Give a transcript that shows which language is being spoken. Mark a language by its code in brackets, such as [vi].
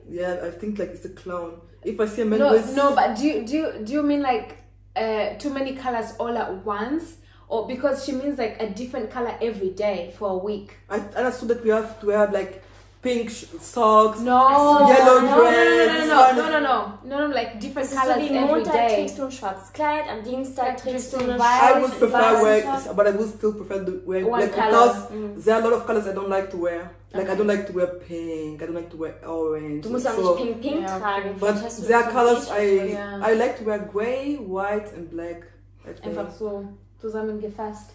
[en] Yeah, I think like it's a clown. If I see a man with... No, but do you mean like too many colors all at once? Or because she means like a different color every day for a week. I understood that we have to wear like pink socks, no, yellow dress. No, no, no, No, like different colors every [de] Montag [en] day. [de] Trägst du ein schwarzes Kleid, am Dienstag trägst du ein weißes. [en] I would prefer wear, but I would still prefer to wear one black color. Because there are a lot of colors I don't like to wear. Like, okay. I don't like to wear pink, I don't like to wear orange. [de] Du musst auch nicht pink [en] yeah, [de] tragen. Okay. [en] But there are colors I like to wear gray, white and black. [de] Einfach so zusammengefasst.